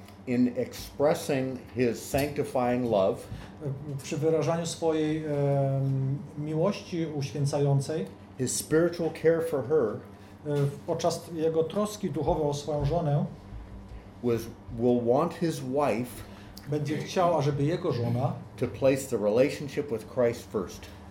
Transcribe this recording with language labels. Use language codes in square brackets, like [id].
[en] in expressing his sanctifying love, [pl] przy wyrażaniu swojej miłości uświęcającej, [en] his spiritual care for her, [pl] podczas jego troski duchowej o swoją żonę, [en] will want his wife, [pl] będzie chciał, ażeby jego żona, [en] to place the relationship with Christ first.